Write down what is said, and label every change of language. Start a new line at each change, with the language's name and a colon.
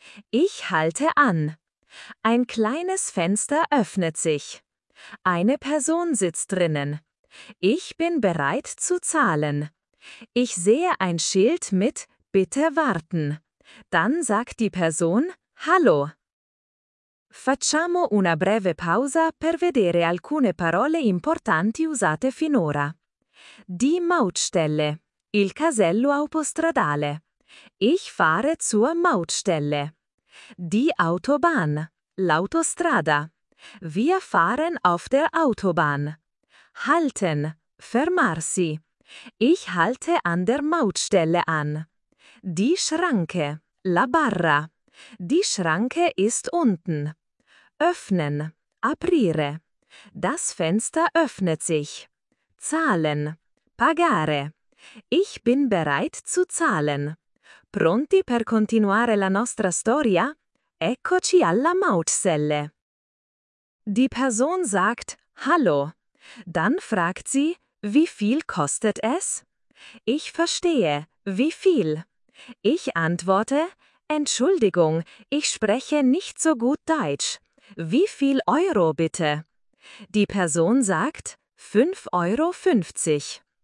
German: Ich halte an. Ein kleines Fenster öffnet sich. Eine Person sitzt drinnen. Ich bin bereit zu zahlen. Ich sehe ein Schild mit "Bitte warten". Dann sagt die Person "Hallo".
Italian: Facciamo una breve pausa per vedere alcune parole importanti usate finora.
German: Die Mautstelle.
Italian: Il casello autostradale.
German: Ich fahre zur Mautstelle. Die Autobahn. L'autostrada. Wir fahren auf der Autobahn. Halten. Fermarsi. Ich halte an der Mautstelle an. Die Schranke.
Italian: La barra.
German: Die Schranke ist unten. Öffnen. Aprire. Das Fenster öffnet sich. Zahlen. Pagare. Ich bin bereit zu zahlen.
Italian: Pronti per continuare la nostra storia? Eccoci alla Mautstelle.
German: Die Person sagt "Hallo". Dann fragt sie "Wie viel kostet es?" Ich verstehe "Wie viel?" Ich antworte "Entschuldigung, ich spreche nicht so gut Deutsch. Wie viel Euro bitte?" Die Person sagt "5,50 €".